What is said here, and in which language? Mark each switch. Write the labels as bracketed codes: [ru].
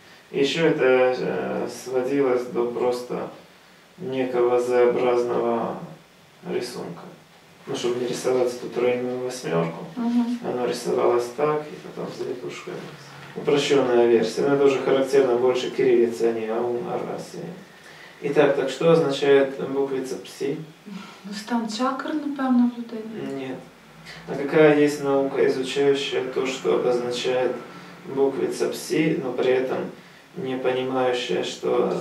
[ru] Еще это сводилось до просто некого Z-образного рисунка. Ну, чтобы не рисовать эту тройную восьмерку, оно рисовалось так, и потом с завитушкой. Упрощенная версия. Но это уже характерно больше кириллицы, а не аум, а расы. Итак, так что означает буквица Пси? [uk] Стан чакр, напевно, в людині. [ru] Нет. А какая есть наука, изучающая то, что обозначает буквица Пси, но при этом не понимающая, что...